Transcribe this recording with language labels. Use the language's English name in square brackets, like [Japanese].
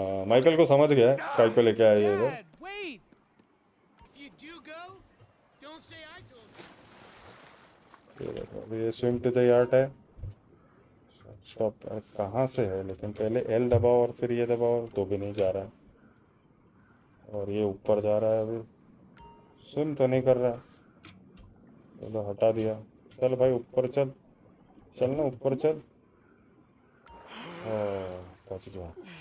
[Hindi] Michael को समझ गया काई को लेके आया ये। [English] Wait. If you do go, don't say I told you. [Hindi] अभी ये [English] swim to the yard [Hindi] है। स्टॉप कहाँ से है, लेकिन पहले एल दबाओ और फिर ये दबाओ, तो भी नहीं जा रहा और ये ऊपर जा रहा है, अभी स्विम तो नहीं कर रहा, तो हटा दिया। चल भाई ऊपर चल, चल ना ऊपर चल, पहुँच गया।